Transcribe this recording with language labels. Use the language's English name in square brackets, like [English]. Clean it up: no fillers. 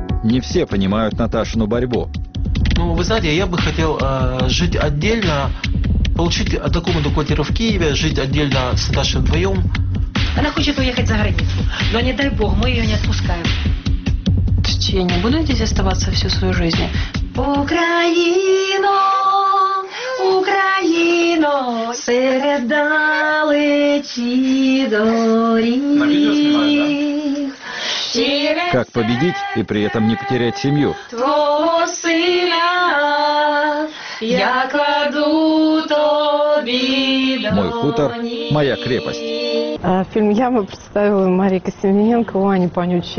[Russian] Не все понимают Наташину борьбу. Ну, вы знаете, я бы хотел жить отдельно, получить документы квартиры в Киеве, жить отдельно с Наташей вдвоем. Она хочет уехать за границу, но не дай бог, мы ее не отпускаем. Я не буду здесь оставаться всю свою жизнь. [Ukrainian] Україно, Україно, серед далечі доріг. [Russian] Как победить и при этом не потерять семью? [Ukrainian] Твого сина я кладу тобі [Russian] доріг. Мой хутор, моя крепость. Фильм «Яма» представила Мария Костемененко, Ваня Панючи.